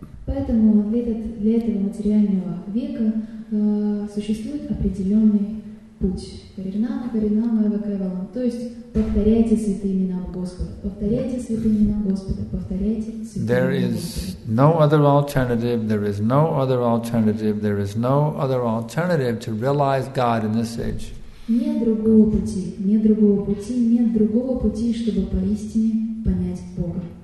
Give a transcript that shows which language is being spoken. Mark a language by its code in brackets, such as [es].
[ru] Поэтому для этого материального века существует определенный путь. [sa] Харинама, харинама, эвакевалам. [ru] То есть повторяйте святые имена Господа. Повторяйте святые имена Господа. Повторяйте святые имена Господа. [en] There is no other alternative. There is no other alternative. There is no other alternative to realize God in this age. [ru] Нет другого пути. Нет другого пути. Нет другого пути, чтобы поистине понять Бога.